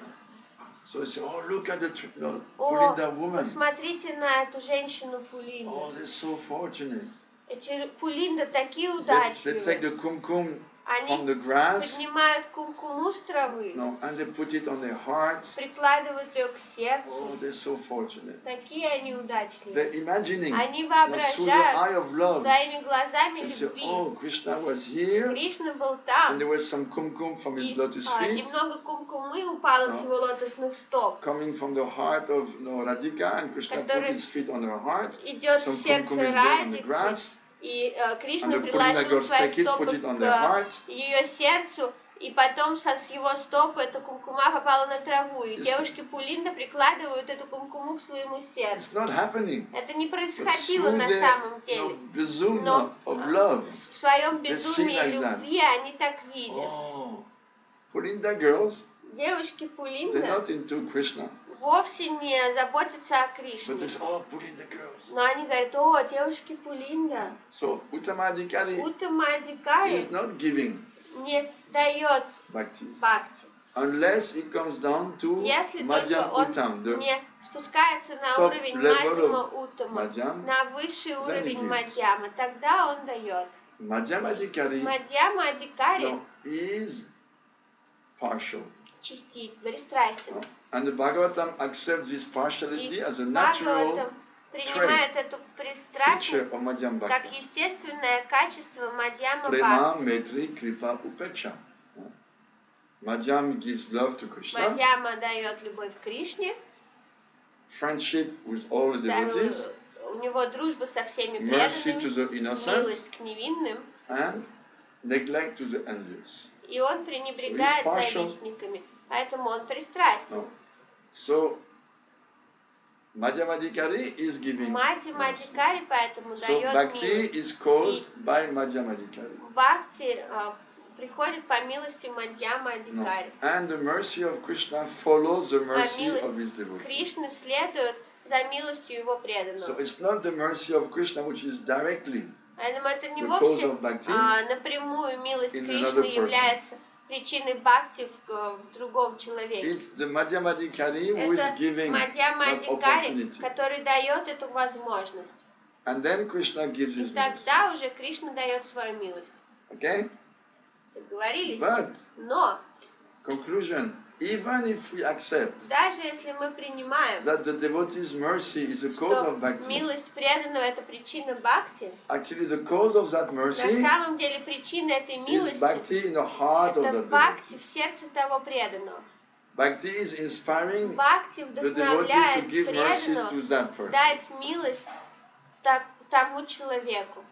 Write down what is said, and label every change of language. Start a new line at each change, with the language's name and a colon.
English: Like so say, oh, look at the no, о, Pulinda woman.
Russian: Посмотрите на эту женщину Пулинду.
English: Oh, they're so fortunate.
Russian: Эти Пулинда такие удачливые.
English: They take the kumkum.
Russian: Они
English: on the grass,
Russian: поднимают кумкуму с травы,
English: no, and they put it on their hearts,
Russian: прикладывают ее к сердцу.
English: Oh, they're so fortunate.
Russian: Такие они удачливые.
English: They're imagining,
Russian: они воображают своими глазами любви.
English: Say, oh, Krishna was here,
Russian: Кришна был там.
English: And there was some kumkum from his lotus feet.
Russian: Немного кумкумы упало с его лотосных стоп.
English: Coming from the heart of no, Radhika, and Krishna put his feet on her heart.
Russian: Идет
English: some
Russian: сердце
English: kumkum
Russian: Радики.
English: Is there on the grass.
Russian: И Кришна приложил свои стопы к ее сердцу, и потом с его стопы эта кумкума попала на траву, и девушки Пулинда прикладывают эту кумкуму к своему сердцу. Это не происходило на самом деле, но в своем безумии любви они так видят. Девушки Пулинда вовсе не заботятся о Кришне. Но они говорят, о, девушки Пулинда.
English: So, Uttama Adhikari Uttama Adhikari is not giving
Russian: не дает бхакти.
English: unless it comes down to Madhyam Uttam, the top level of Madhyam,
Russian: на высший уровень Madhyama, тогда он дает.
English: Madhyama Adhikari, Madhyama Adhikari is partial.
Russian: Частит, бесстрастен.
English: And the Bhagavatam accepts this partiality as a natural
Russian: принимает эту пристрастность как естественное качество Мадьяма Бхакти. Према, метри, крипа, упеча. Мадьям
English: gives love to Krishna.
Russian: Мадьяма дает любовь Кришне.
English: Friendship with all the devotees.
Russian: У него дружба со всеми преданными. Милость к невинным.
English: And neglect to the envious.
Russian: И он пренебрегает завистниками. Поэтому он пристрастен.
English: So, Madhyam Adhikari is giving.
Russian: Madhyam Adhikari поэтому дает милость.
English: So bhakti is caused by Madhyam Adhikari.
Russian: Бхакти приходит по милости Madhyam Adhikari.
English: No. And the mercy of Krishna follows the mercy of his devotees.
Russian: Кришна следует за милостью его преданного.
English: So it's not the mercy of Krishna which is directly the cause of bhakti.
Russian: Напрямую милость Кришны является причины бхакти в другом человеке.
English: It's the Madhyam Adhikari who is giving
Russian: Madhyam Adhikari, который дает эту возможность.
English: And then Krishna gives his
Russian: и тогда уже Кришна дает свою милость.
English: Okay?
Russian: Договорились?
English: But,
Russian: но
English: conclusion, even if we accept
Russian: даже если мы принимаем
English: that the devotee's mercy is the cause of bhakti,
Russian: милость преданного это причина бхакти,
English: actually the cause of that mercy
Russian: на самом деле причина этой милости
English: is bhakti in the heart of the devotee.
Russian: Бхакти в сердце того преданного.
English: Bhakti is inspiring bhakti the devotee to give mercy to that person.
Russian: Дать милость тому человеку.